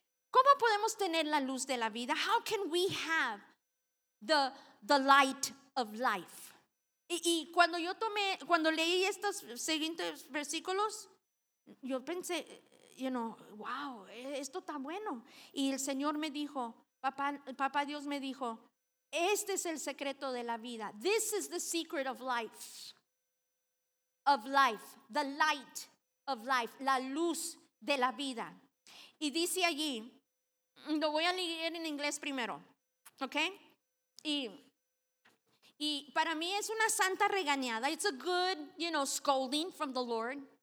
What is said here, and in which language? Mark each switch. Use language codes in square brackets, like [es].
[es] ¿Cómo podemos tener la luz de la vida? [en] How can we have the light of life? [es] Y cuando yo tomé, cuando leí estos siguientes versículos, yo pensé, you know, wow, esto está bueno. Y el Señor me dijo, Papá Dios me dijo, este es el secreto de la vida. [en] This is the secret of life. Of life. The light of life. [es] La luz de la vida. Y dice allí, lo voy a leer en inglés primero. [en] Okay? [es] Y para mí es una santa regañada. [en] It's a good, you know, scolding from the Lord.